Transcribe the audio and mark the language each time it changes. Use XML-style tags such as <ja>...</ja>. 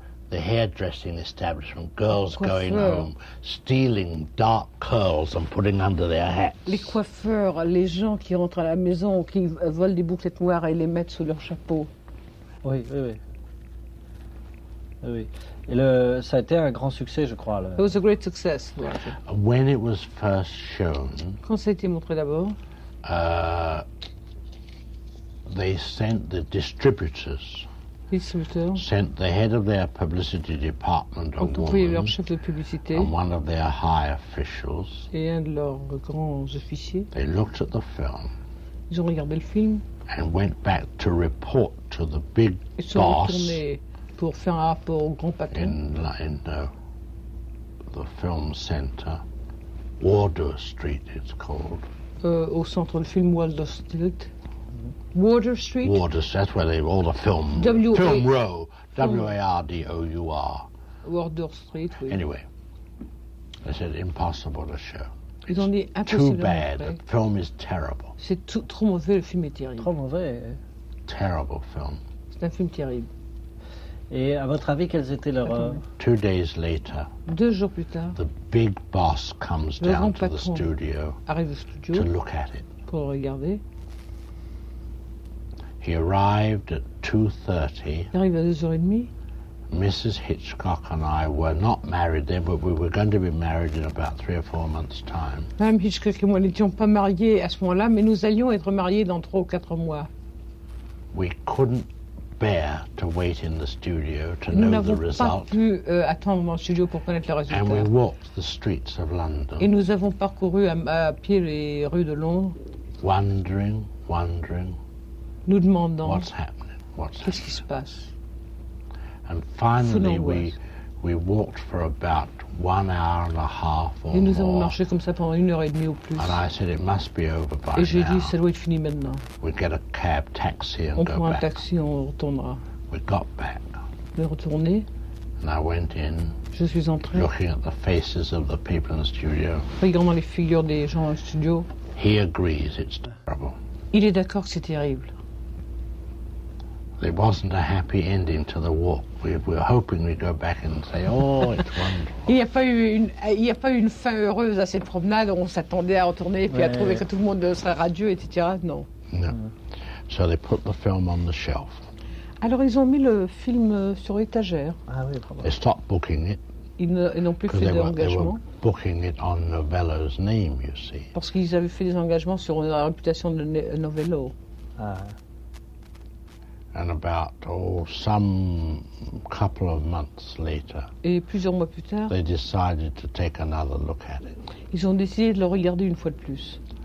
<en>The hairdressing establishment, girls going home, stealing dark curls and putting under their hats.</en> <fr>Les coiffeurs, les gens qui rentrent à la maison, qui volent des bouclettes noires et les mettent sous leur chapeau. Oui, oui, oui. Oui. Et ça a été un grand succès, je crois.</fr> <en>It was a great success. When it was first shown,</en> <fr>quand ça a été montré d'abord,</fr> <en>they sent the distributors. Sent the head of their publicity department, a woman,</en> <fr>leur chef de publicité,</fr> <en>and one of their high officials.</en> <fr>Et un de leurs grands officiers.</fr> <en>They looked at the film.</en> <fr>Ils ont regardé le film.</fr> <en>And went back to report to the big boss.</en> <fr>Ils sont retournés pour faire un rapport au grand patron.</fr> <en>In the film center, Wardour Street, it's called.</en> <fr>Au centre du film Wardour Street. Wardour Street.</fr> <en>Wardour Street. That's where they all the film. Film row. W-A-R-D-O-U-R.</en> <fr>Wardour Street. Oui.</fr> <en>Anyway, they said impossible to show.</en> <fr>Ils ont dit impossible.</fr> <en>Too bad. The film is terrible.</en> <fr>C'est trop mauvais. Le film est terrible. Trop mauvais.</fr> <en>Terrible film.</en> <fr>C'est un film terrible. Et à votre avis, quelles étaient leurs?</fr> <en>Two days later.</en> <fr>Deux jours plus tard.</fr> <en>The big boss comes down to the studio.</en> <fr>Arrive au studio.</fr> <en>To look at it.</en> <fr>Pour regarder.</fr> <en>He arrived at 2:30.</en> <fr>Il arrive à 2h30.</fr> <en>Mrs. Hitchcock and I were not married then, but we were going to be married in about 3 or 4 months' time.</en> <fr>Madame Hitchcock et moi n'étions pas mariés à ce moment-là, mais nous allions être mariés dans 3 ou 4 mois.</fr> <en>We couldn't bear to wait in the studio to</en> <fr>nous</fr> <en>know the result.</en> <fr>Nous n'avons pas pu attendre dans le studio pour connaître le résultat.</fr> <en>And we walked the streets of London.</en> <fr>Et nous avons parcouru à pied les rues de Londres.</fr> <en>Wondering.</en> <fr>Nous demandons</fr> <en>what's happening?</en> <fr>Qui se passe.</fr> <en>And finally we walked for about 1 hour and a half or</en> <fr>et nous avons marché comme ça pendant 1 heure et demie au plus.</fr> <en>And I said it must be over by</en> <fr>et j'ai</fr> <en>now.</en> <fr>Dit ça doit être fini maintenant.</fr> <en>We get a cab taxi and</en> <fr>on</fr> <en>go</en> <fr>prend</fr> <en>back.</en> <fr>Un taxi on retournera.</fr> <en>We got back.</en> <fr>On est retourné.</fr> <en>And I went in.</en> <fr>Je suis entré.</fr> <en>Looking at the faces of the people in the studio.</en> <fr>Regardant les figures des gens dans le studio.</fr> <en>He agrees it's terrible.</en> <fr>Il est d'accord que c'est terrible.</fr> <en>It wasn't a happy ending to the walk. We're hoping we go back and say, "Oh, it's wonderful."</en> <fr>Il n'y a pas eu une fin heureuse à cette promenade. On s'attendait à retourner et puis à trouver que tout le monde serait radieux, etc. Non.</fr> <en>No. So they put the film on the shelf.</en> <fr>Alors ils ont mis le film sur étagère. Ah oui, pardon.</fr> <en>They stopped booking it.</en> <fr>Ils n'ont plus fait d'engagement.</fr> <en>They were booking it on Novello's name, you see.</en> <fr>Parce qu'ils avaient fait des engagements sur la réputation de Novello. Ah.</fr> <en>And about some couple of months later,</en> <fr>et plusieurs mois plus tard,</fr> <en>they decided to take another look at it.</en> <fr>Ils ont décidé de le regarder une fois de plus.</fr>